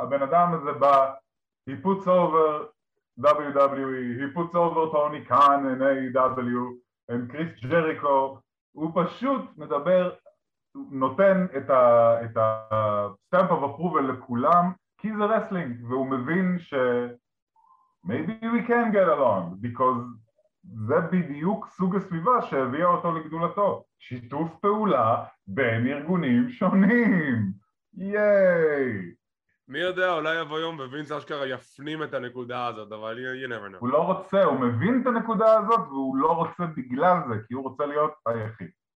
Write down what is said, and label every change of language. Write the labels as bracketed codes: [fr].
[he] הבן אדם הזה בא, [en] he puts over WWE, he puts over Tony Khan and AEW, and Chris Jericho, [he] הוא פשוט מדבר, נותן את ה- [en] stamp of approval [he] לכולם, כי זה רסלינג, והוא מבין ש... [en] maybe we can get along, because... [he] זה בדיוק סוג הסביבה שהביאה אותו לגדולתו. שיתוף פעולה בין ארגונים שונים. ייי! מי יודע, אולי יבוא יום ווינס אשכרה יפנים את הנקודה הזאת, אבל [en] you never know. [he] הוא לא רוצה, הוא מבין את הנקודה הזאת, והוא לא רוצה בגלל זה, כי הוא רוצה להיות היחיד.